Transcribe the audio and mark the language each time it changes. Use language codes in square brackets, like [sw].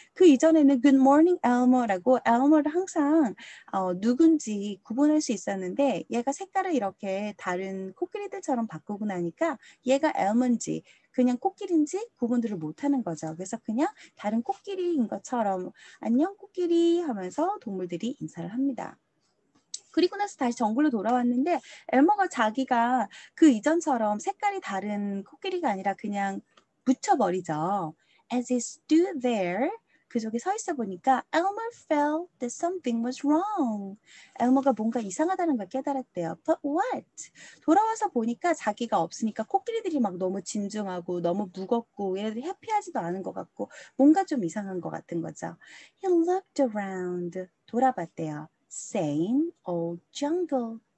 [ko] 그 이전에는 [en] Good morning, Elmer [ko] 라고 Elmer를 항상 누군지 구분할 수 있었는데 얘가 색깔을 이렇게 다른 코끼리들처럼 바꾸고 나니까 얘가 Elmer인지 그냥 코끼리인지 구분들을 못하는 거죠. 그래서 그냥 다른 코끼리인 것처럼 안녕 코끼리 하면서 동물들이 인사를 합니다. 그리고 나서 다시 정글로 돌아왔는데 Elmer가 자기가 그 이전처럼 색깔이 다른 코끼리가 아니라 그냥 묻혀버리죠. [en] As he stood there, [ko] 그쪽에 서 있어 보니까 [en] Elmer felt that something was wrong. [ko] Elmer가 뭔가 이상하다는 걸 깨달았대요. [en] But what? [ko] 돌아와서 보니까 자기가 없으니까 코끼리들이 막 너무 진중하고 너무 무겁고 얘네들이 해피하지도 않은 것 같고 뭔가 좀 이상한 것 같은 거죠. [en] He looked around. [ko] 돌아봤대요. [en] Same old jungle.